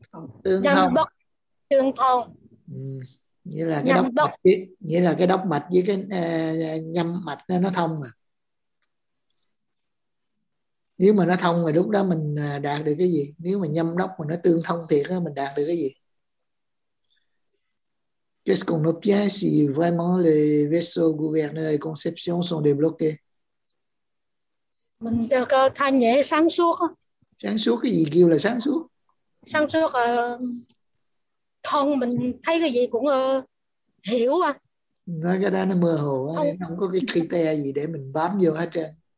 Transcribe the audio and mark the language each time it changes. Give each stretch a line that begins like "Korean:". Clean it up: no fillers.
Vietnamese: thông. Nhâm đốc tương thông. Nghĩa là cái đốc mạch, nghĩa là cái đốc mạch với cái nhâm mạch nó thông mà. Nếu mà nó thông thì lúc đó mình đạt được cái gì? Nếu mà nhâm đốc mà nó tương thông thiệt á, mình đạt được cái gì?
French: Qu'est-ce qu'on obtient si vraiment les vaisseaux gouverneurs et conception sont débloqués?
Vietnamese: Mình được thanh nhẹ sáng suốt. Sáng suốt cái gì kêu là sáng suốt? Sáng suốt thông, mình thấy cái gì cũng hiểu à. Nói cái đó nó mơ hồ, không có cái criteria gì để mình bám vô hết trơn.